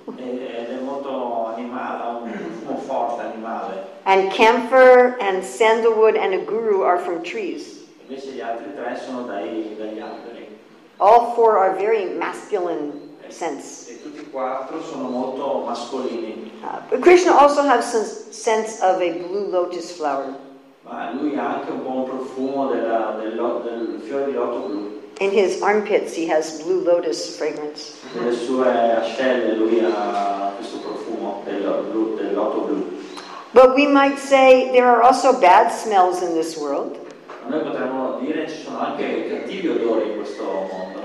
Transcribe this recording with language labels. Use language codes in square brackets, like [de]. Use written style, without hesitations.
[it] Ed è molto animale, un profumo forte animale. [en] And camphor and sandalwood and aguru are from trees. [it] Invece gli altri tre sono dagli alberi. [en] All four are very masculine scents. [it] E tutti quattro sono molto mascolini. [en] But Krishna also has some sense of a blue lotus flower. [it] Ma lui ha anche un buon profumo del fiore di loto blu. [en] In his armpits he has blue lotus fragrance. [it] Nelle sue ascelle lui ha questo profumo del loto blu. [en] But we might say there are also bad smells in this world. [it] Noi potremmo dire ci sono anche cattivi odori in questo mondo.